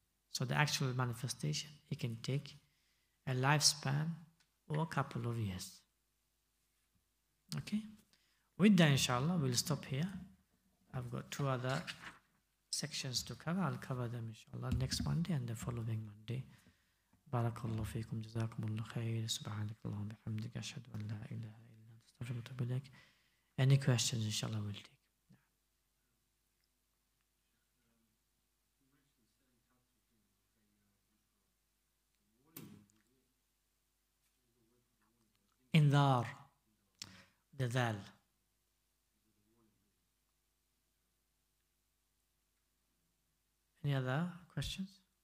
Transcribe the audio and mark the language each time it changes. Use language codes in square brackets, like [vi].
[en] So the actual manifestation, it can take a lifespan or a couple of years. Okay. With that, inshallah, we'll stop here. I've got two other sections to cover. I'll cover them, inshallah, next Monday and the following Monday. [ar] بارك الله فيكم جزاكم الله خير سبحانك اللهم وبحمدك اشهد ان لا اله الا انت استغفرك واتوب اليك. [en] Any questions inshallah we'll take. انذار دذال any other questions.